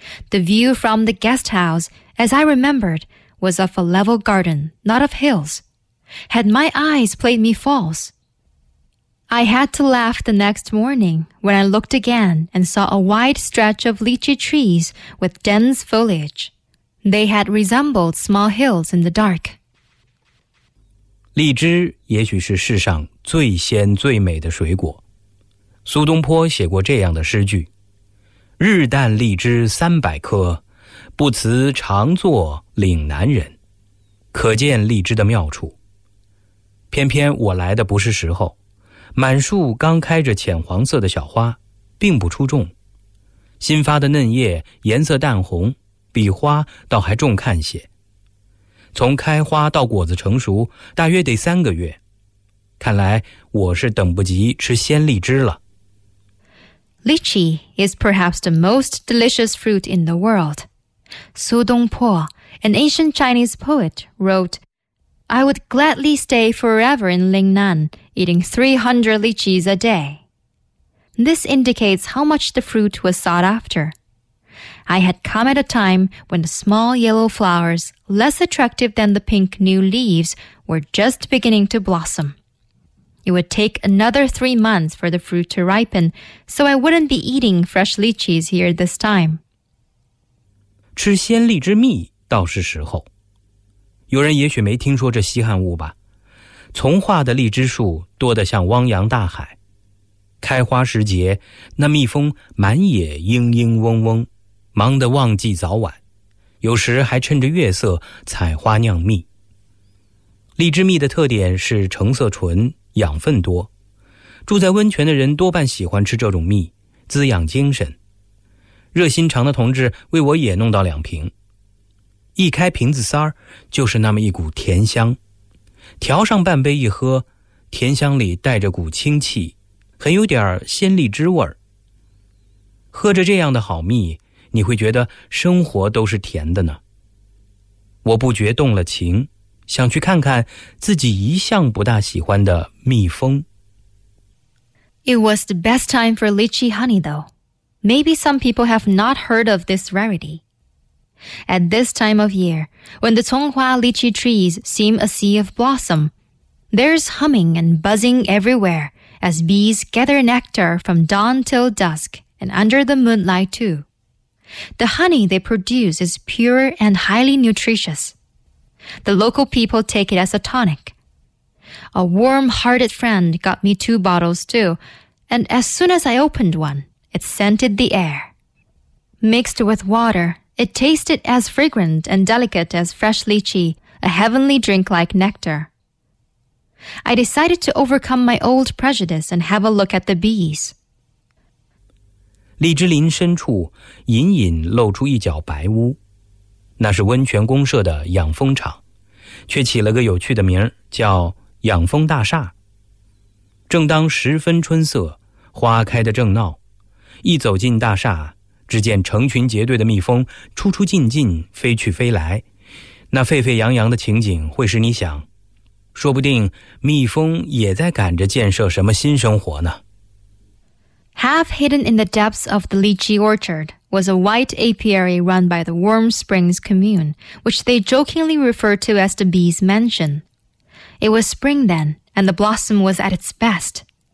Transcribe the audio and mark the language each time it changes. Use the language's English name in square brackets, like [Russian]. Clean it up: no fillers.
[English] The view from the guest house, as I remembered, was of a level garden, not of hills. Had my eyes played me false? I had to laugh the next morning when I looked again and saw a wide stretch of lychee trees with dense foliage. They had resembled small hills in the dark. [Chinese] 荔枝也许是世上最鲜最美的水果。苏东坡写过这样的诗句：日啖荔枝三百颗，不辞常作岭南人。可见荔枝的妙处。偏偏我来的不是时候，满树刚开着浅黄色的小花，并不出众。新发的嫩叶颜色淡红，比花倒还重看些。从开花到果子成熟大约得三个月，看来我是等不及吃鲜荔枝了。 [English] Lychee is perhaps the most delicious fruit in the world. Su Dongpo, an ancient Chinese poet, wrote, I would gladly stay forever in Lingnan, eating 300 lychees a day. This indicates how much the fruit was sought after. I had come at a time when the small yellow flowers, less attractive than the pink new leaves, were just beginning to blossom. It would take another 3 months for the fruit to ripen, so I wouldn't be eating fresh lychees here this time. [Chinese] 吃鲜荔枝蜜倒是时候。有人也许没听说这稀罕物吧。从化的荔枝树多得像汪洋大海。开花时节，那蜜蜂满野嘤嘤嗡嗡。忙得忘记早晚，有时还趁着月色采花酿蜜。荔枝蜜的特点是成色纯，养分多，住在温泉的人多半喜欢吃这种蜜，滋养精神。热心肠的同志为我也弄到两瓶。一开瓶子塞儿，就是那么一股甜香。调上半杯一喝，甜香里带着股清气，很有点鲜荔枝味儿。喝着这样的好蜜，你会觉得生活都是甜的呢。我不觉动了情，想去看看自己一向不大喜欢的蜜蜂。 [English] It was the best time for lychee honey, though. Maybe some people have not heard of this rarity. At this time of year, when the [Chinese] 葱花 [English] lychee trees seem a sea of blossom, there's humming and buzzing everywhere as bees gather nectar from dawn till dusk and under the moonlight too. The honey they produce is pure and highly nutritious. The local people take it as a tonic. A warm-hearted friend got me 2 bottles too, and as soon as I opened one, it scented the air. Mixed with water, it tasted as fragrant and delicate as fresh lychee, a heavenly drink like nectar. I decided to overcome my old prejudice and have a look at the bees. [Chinese] 荔枝林深处隐隐露出一角白屋，那是温泉公社的养蜂场，却起了个有趣的名儿，叫养蜂大厦。正当十分春色，花开得正闹，一走进大厦，只见成群结队的蜜蜂出出进进，飞去飞来，那沸沸扬扬的情景会使你想，说不定蜜蜂也在赶着建设什么新生活呢。 [English] Half hidden in the depths of the lychee orchard was a white apiary run by the Warm Springs Commune, which they jokingly referred to as the Bee's Mansion. It was spring then, and the blossom was at its best.